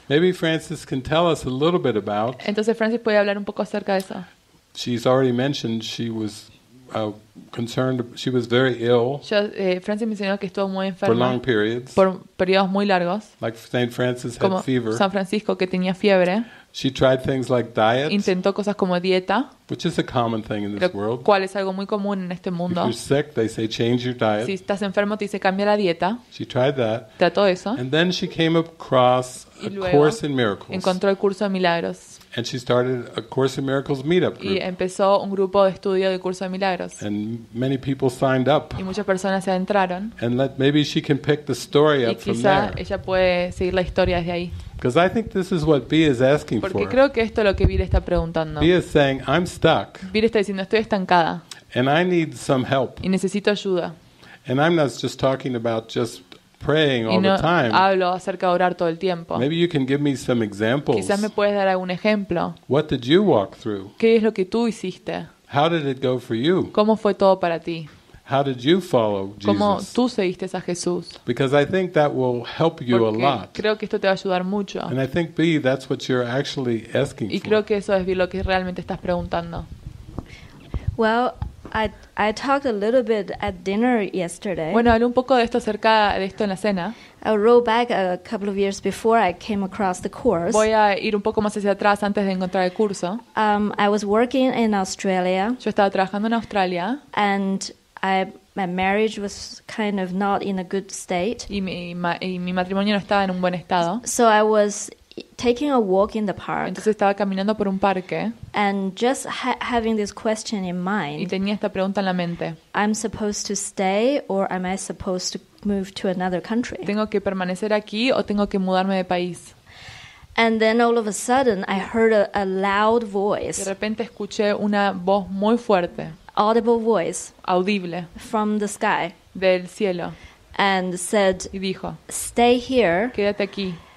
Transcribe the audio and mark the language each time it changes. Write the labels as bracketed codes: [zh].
[en] Maybe Francis can tell us a little bit about. [es] Entonces Francis puede hablar un poco acerca de eso. [en] She's already mentioned she was concerned. She was very ill. [es] Francis mencionó que estuvo muy enferma [en] for long periods. [es] Por periodos muy largos. [en] Like Saint Francis [es] como [en] had fever. [es] San Francisco que tenía fiebre. [en] She tried things like diet. [es] Intentó cosas como dieta. [en] Which is a common thing in this world. [es] Cual es algo muy común en este mundo. [en] If you're sick, they say change your diet. [es] Si estás enfermo, te dice cambia la dieta. [en] She tried that. [es] Trató eso. [en] And then she came across a course in miracles. [es] Encontró el curso de milagros. [en] And she started a Course in Miracles meetup group. [es] Y empezó un grupo de estudio de curso de milagros. [en] And many people signed up. [es] Y muchas personas se adentraron. [en] And maybe she can pick the story up from there. [es] Y quizá ella puede seguir la historia desde ahí. [en] Because I think this is what B is asking [es] porque [en] for. [es] Porque creo que esto es lo que B le está preguntando. [en] B is saying, I'm stuck. [es] B está diciendo, estoy estancada. [en] And I need some help. [es] Y necesito ayuda. [en] And I'm not just talking about just praying all [es] y no [en] the time. [es] Hablo acerca de orar todo el tiempo. [en] Maybe you can give me some examples. [es] Quizás me puedes dar algún ejemplo. [en] What did you walk through? [es] ¿Qué es lo que tú hiciste? [en] How did it go for you? [es] ¿Cómo fue todo para ti? [en] How did you follow Jesus? [es] ¿Cómo tú seguiste a Jesús? [en] Because I think that will help you [es] porque [en] a lot. [es] Creo que esto te va a ayudar mucho. [en] And I think B, that's what you're actually asking [es] y creo [en] for. [es] Que eso es lo que realmente estás preguntando. [en] Well, I talked a little bit at dinner yesterday. [es] Bueno, hablé un poco de esto acerca de esto en la cena. [en] I roll back a couple of years before I came across the course. [es] Voy a ir un poco más hacia atrás antes de encontrar el curso. [en] I was working in Australia. [es] Yo estaba trabajando en Australia. [en] And my marriage was kind of not in a good state. [es] Y mi matrimonio no estaba en un buen estado. [en] So I was taking a walk in the park. [es] Entonces estaba caminando por un parque. [en] And just having this question in mind. [es] Y tenía esta pregunta en la mente. [en] I'm supposed to stay or am I supposed to move to another country? [es] ¿Tengo que permanecer aquí o tengo que mudarme de país? [en] And then all of a sudden I heard a loud voice. [es] De repente escuché una voz muy fuerte. [en] Audible voice. [es] Audible. [en] From the sky. [es] Del cielo. [en] And said, [es] y dijo, [en] stay here. [es] Quédate aquí.